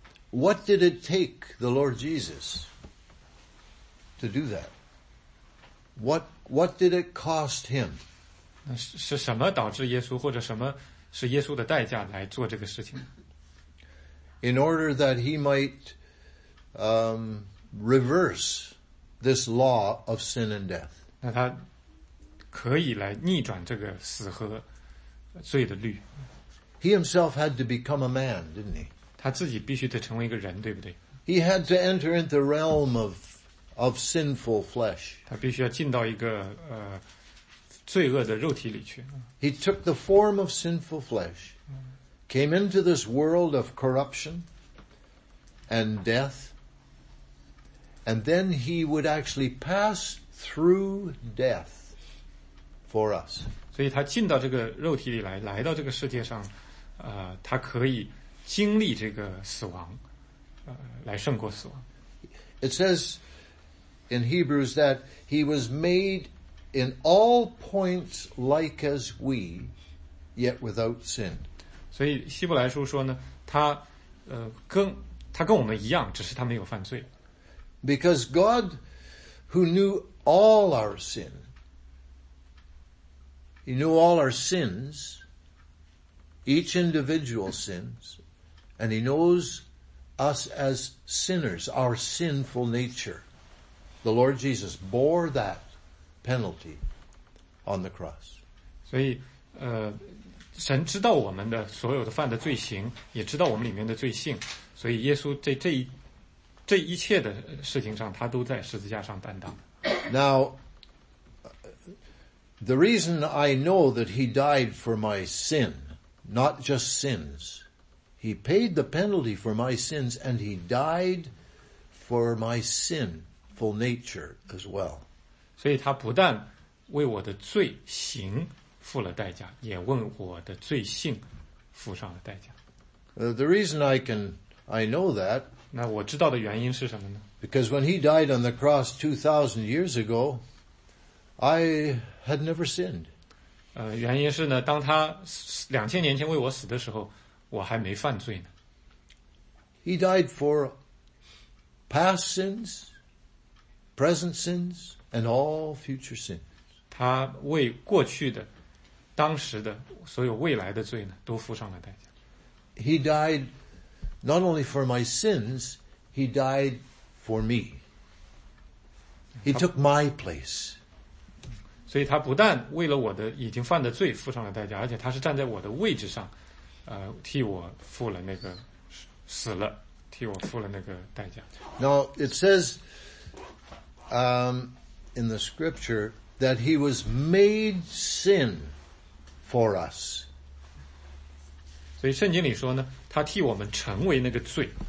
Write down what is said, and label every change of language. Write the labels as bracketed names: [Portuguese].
[English] What did it take the Lord Jesus to do that? What did it cost him? [Chinese] 那是什么导致耶稣，或者什么是耶稣的代价来做这个事情？ [English] In order that he might reverse this law of sin and death. [Chinese] 那他可以来逆转这个死和罪的律。 [English] He himself had to become a man, didn't he? [Chinese] 他自己必须得成为一个人，对不对？ [English] He had to enter into the realm of sinful flesh. [Chinese] 他必须要进到一个罪恶的肉体里去。 [English] He took the form of sinful flesh. Came into this world of corruption and death, and then he would actually pass through death for us. [Chinese] 所以他进到这个肉体里来，来到这个世界上，他可以经历这个死亡，来胜过死亡。 [English] It says in Hebrews that he was made in all points like as we, yet without sin. [Chinese] 所以希伯来书说呢，他跟我们一样，只是他没有犯罪。 [English] Because God, who knew all our sin, He knew all our sins, each individual sins, and He knows us as sinners, our sinful nature. The Lord Jesus bore that penalty on the cross. [Chinese] 所以神知道我们的所有的犯的罪行，也知道我们里面的罪性，所以耶稣在这一切的事情上，他都在十字架上担当。 [English] Now, the reason I know that he died for my sin, not just sins, he paid the penalty for my sins, and he died for my sinful nature as well. [Chinese] 所以他不但为我的罪行付了代价，也为我的罪性付上了代价。 [English] The reason I know that. [Chinese] 那我知道的原因是什么呢？ [English] Because when he died on the cross 2,000 years ago, I had never sinned. [Chinese] 原因是呢，当他2000年前为我死的时候，我还没犯罪呢。 [English] He died for past sins, present sins, and all future sins. [Chinese] 他为过去的当时的所有未来的罪呢，都付上了代价。 [English] He died not only for my sins, he died for me. He took my place. [Chinese] 所以他不但为了我的已经犯的罪付上了代价，而且他是站在我的位置上，替我付了那个死了，替我付了那个代价。 [English] Now it says, in the scripture that he was made sin. For us. [Chinese] 所以圣经里说呢，他替我们成为那个罪。